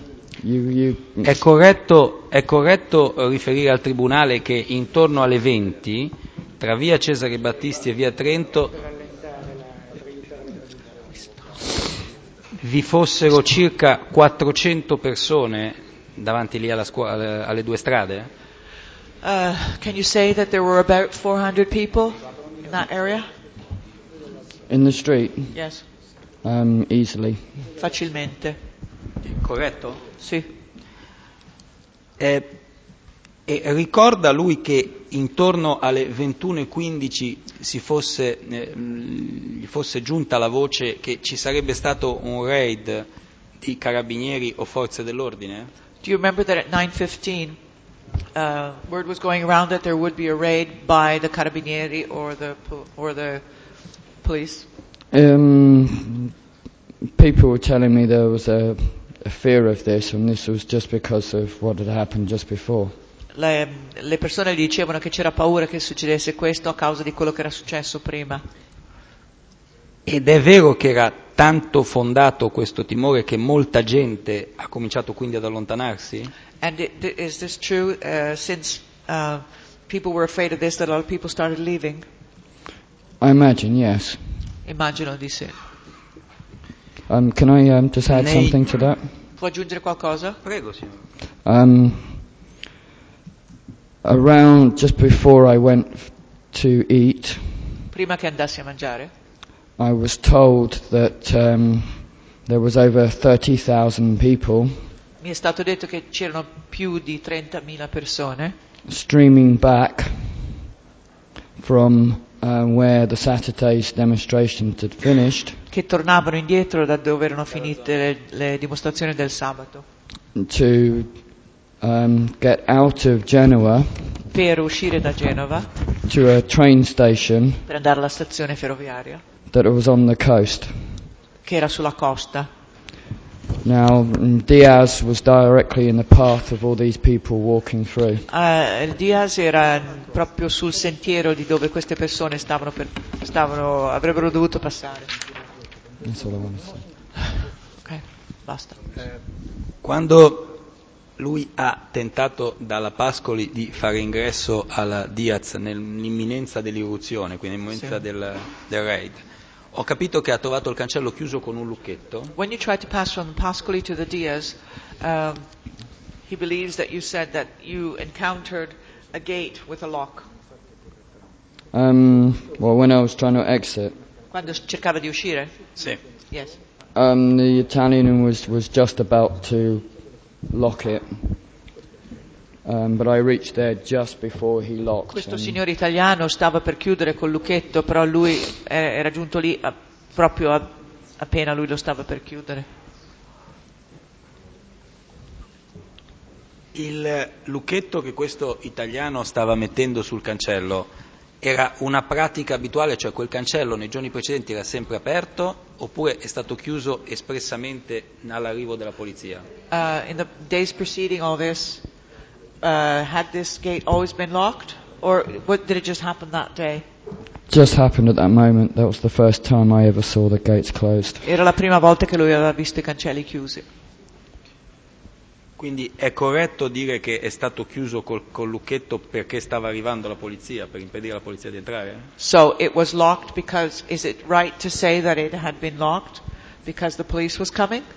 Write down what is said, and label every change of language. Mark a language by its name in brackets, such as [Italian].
[Italian] È corretto riferire al tribunale che intorno alle 20 tra via Cesare Battisti e via Trento vi fossero circa 400 persone davanti lì alla scuola, alle due strade? [English] Can you say that there were about 400 people in that area? In the street? Yes. Easily. [Italian] Facilmente. Corretto? Sì. E ricorda lui che intorno alle 21:15 gli fosse giunta la voce che ci sarebbe stato un raid di carabinieri o forze dell'ordine? [English] Do you remember that at 9:15 word was going around that there would be a raid by the carabinieri or the police? People were telling me there was a fear of this, and this was just because of what had happened just before. [Italian] Le persone gli dicevano che c'era paura che succedesse questo a causa di quello che era successo prima. Ed è vero che era tanto fondato questo timore che molta gente ha cominciato quindi ad allontanarsi? [English] And is this true since people were afraid of this that a lot of people started leaving? I imagine, yes. [Italian] Immagino di sì. [English] Can I just add something to that? [Italian] Può aggiungere qualcosa? Prego, signor. [English] Around just before I went to eat, [Italian] prima che andassi a mangiare, [English] I was told that there was over 30,000 people. [Italian] Mi è stato detto che c'erano più di 30,000 persone. [English] Streaming back from where the Saturday's demonstrations had finished. [Italian] Che tornavano indietro da dove erano finite le dimostrazioni del sabato. [English] To get out of Genoa. [Italian] Per uscire da Genova. [English] To a train station. [Italian] Per andare alla stazione ferroviaria. [English] That was on the coast. [Italian] Che era sulla costa. [English] Now, Diaz was directly in the path of all these people walking through. [Italian] Diaz era proprio sul sentiero di dove queste persone avrebbero dovuto passare. Ok, basta. Quando lui ha tentato dalla Pascoli di fare ingresso alla Diaz nell'imminenza dell'irruzione, quindi nell'imminenza del raid, ho capito che ha trovato il cancello chiuso con un lucchetto. [English] When you tried to pass from Pascoli to the Diaz, he believes that you said that you encountered a gate with a lock. When I was trying to exit. [Italian] Quando cercava di uscire? Sì. [English] Yes. The Italian was just about to lock it. But I reached there just before he locked. [Italian] Questo signore italiano stava per chiudere col lucchetto, però lui era giunto lì proprio appena lui lo stava per chiudere. Il lucchetto che questo italiano stava mettendo sul cancello era una pratica abituale, cioè quel cancello nei giorni precedenti era sempre aperto, oppure è stato chiuso espressamente all'arrivo della polizia? [English] In the days preceding all this, had this gate always been locked, or did it just happen that day? Just happened at that moment. That was the first time I ever saw the gates closed. [Italian] Era la prima volta che lui aveva visto i cancelli chiusi. Quindi è corretto dire che è stato chiuso col lucchetto perché stava arrivando la polizia, per impedire alla polizia di entrare? [English] So it was locked because, is it right to say that it had been locked because the police was coming?